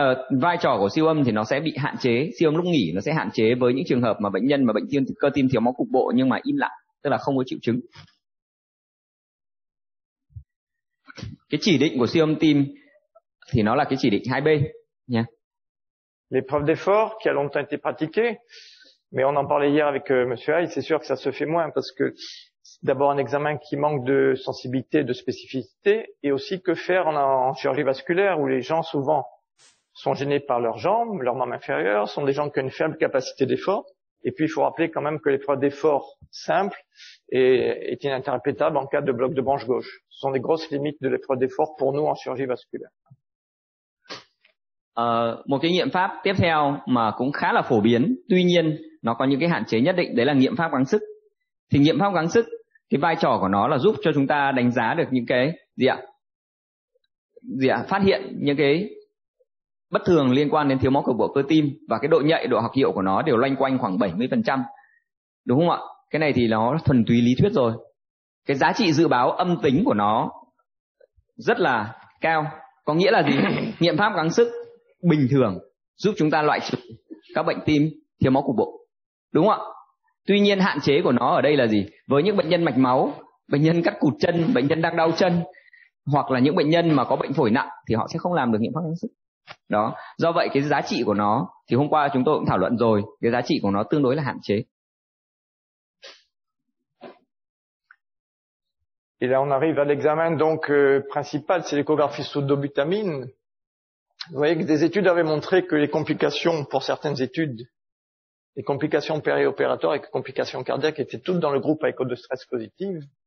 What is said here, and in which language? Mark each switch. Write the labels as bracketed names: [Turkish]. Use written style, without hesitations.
[Vietnamese] Vai trò của siêu âm thì nó sẽ bị hạn chế, siêu âm lúc nghỉ nó sẽ hạn chế với những trường hợp mà bệnh nhân mà bệnh tim cơ tim thiếu máu cục bộ nhưng mà im lặng, tức là không có triệu chứng. Cái chỉ định của siêu âm tim thì nó là cái chỉ định 2B nha. [French] L'épreuve d'effort qui a longtemps été pratiquée, mais on en parlait hier avec monsieur Haye, c'est sûr que ça se fait moins parce que c'est d'abord un examen qui manque de sensibilité, de spécificité, et aussi que faire en chirurgie vasculaire où les gens souvent sont gênés par leurs jambes, leurs membres inférieurs, sont des gens qui ont une faible capacité d'effort. Et puis, il faut rappeler quand même que l'épreuve d'effort simple est ininterprétable en cas de bloc de branche gauche. Ce sont des grosses limites de l'épreuve d'effort pour nous en chirurgie vasculaire. [Vietnamese] Một cái nghiệm pháp tiếp theo mà cũng khá là phổ biến, tuy nhiên nó có những cái hạn chế nhất định, đấy là nghiệm pháp gắng sức. Thì nghiệm pháp gắng sức, cái vai trò của nó là giúp cho chúng ta đánh giá được những cái phát hiện những cái bất thường liên quan đến thiếu máu cục bộ cơ tim, và cái độ nhạy, độ học hiệu của nó đều loanh quanh khoảng 70%, đúng không ạ? Cái này thì nó thuần túy lý thuyết rồi. Cái giá trị dự báo âm tính của nó rất là cao, có nghĩa là gì? Nghiệm pháp gắng sức bình thường giúp chúng ta loại trừ các bệnh tim thiếu máu cục bộ, đúng không ạ? Tuy nhiên hạn chế của nó ở đây là gì? Với những bệnh nhân mạch máu, bệnh nhân cắt cụt chân, bệnh nhân đang đau chân, hoặc là những bệnh nhân mà có bệnh phổi nặng thì họ sẽ không làm được nghiệm pháp gắng sức đó. Do vậy cái giá trị của nó thì hôm qua chúng tôi cũng thảo luận rồi, cái giá trị của nó tương đối là hạn chế. [French] Et là on arrive à l'examen donc principal, c'est l'échographie sous dobutamine. Vous voyez que des études avaient montré que les complications pour certaines études, les complications périopératoires et les complications cardiaques étaient toutes dans le groupe à écho de stress positive.